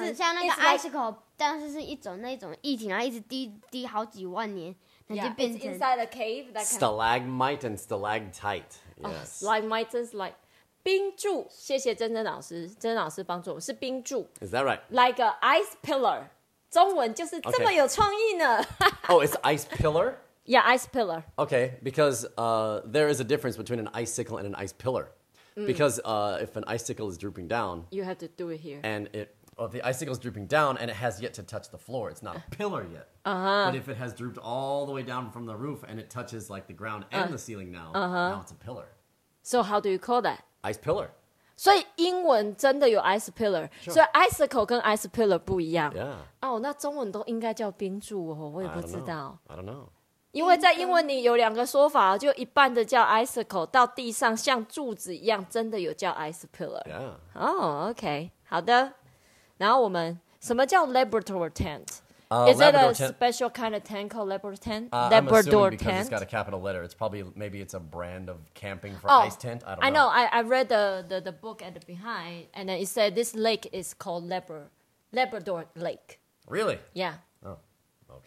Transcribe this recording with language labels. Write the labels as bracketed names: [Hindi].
[Chinese] 很像那个 icicle， 但是是一种那种液体，然后一直滴好几万年，那就变成 [English] inside a cave。 Stalagmite and stalactite。 Yes.、 Oh, stalagmite and stalactite. [Chinese] 冰柱，谢谢珍珍老师，珍珍老师帮助我们是冰柱 [English] ，Is that right? Like an ice pillar， [Chinese] 中文就是这么有创意呢。 [English] Okay. Oh, it's ice pillar? Yeah, ice pillar. Okay, because there is a difference between an icicle and an ice pillar.、 Mm. Because if an icicle is drooping down, you have to do it here. And it, well, if the icicle is drooping down and it has yet to touch the floor, it's not a pillar yet. Uh-huh. But if it has drooped all the way down from the roof and it touches like the ground and the ceiling now, uh-huh. now it's a pillar. So how do you call that? Ice pillar. [Chinese] 所以英文真的有 ice pillar、 [English] sure. [Chinese] 所以 icicle 跟 ice pillar 不一样、 [English] yeah. [Chinese] 哦，那中文都应该叫冰柱哦，我也不知道 [English] I don't know [Chinese] 因为在英文里有两个说法，就一半的叫 icicle， 到地上像柱子一样真的有叫 ice pillar、 [English] yeah. [Chinese] 哦 OK 好的，然后我们什么叫 laboratory tent？ [English] Is Labrador it a special kind of tent called Labrador tent? Labrador tent? I'm assuming because it's got a capital letter. It's probably, maybe it's a brand of camping for ice tent. I don't know. I read the book at the behind, and then it said this lake is called Labrador Lake. Really? Yeah. Oh, okay.